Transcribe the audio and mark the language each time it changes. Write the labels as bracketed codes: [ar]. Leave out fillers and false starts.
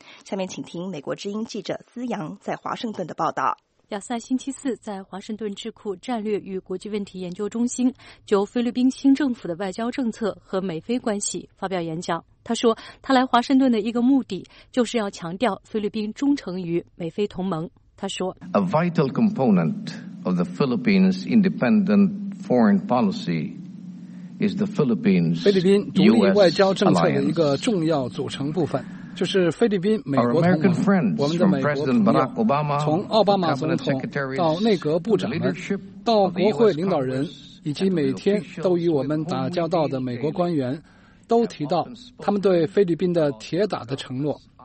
[zh] 下面请听美国之音记者思阳在华盛顿的报道。亚塞星期四在华盛顿智库战略与国际问题研究中心就菲律宾新政府的外交政策和美菲关系发表演讲。他说，他来华盛顿的一个目的就是要强调菲律宾忠诚于美菲同盟。他说 [en] ，A vital component of the Philippines' independent foreign policy is the Philippines' U.S. alliance. [zh] 菲律宾独立外交政策的一个重要组成部分。就是菲律宾美国同盟，我们的美国朋友，从奥巴马总统到内阁部长们，到国会领导人，以及每天都与我们打交道的美国官员，都提到他们对菲律宾的铁打的承诺。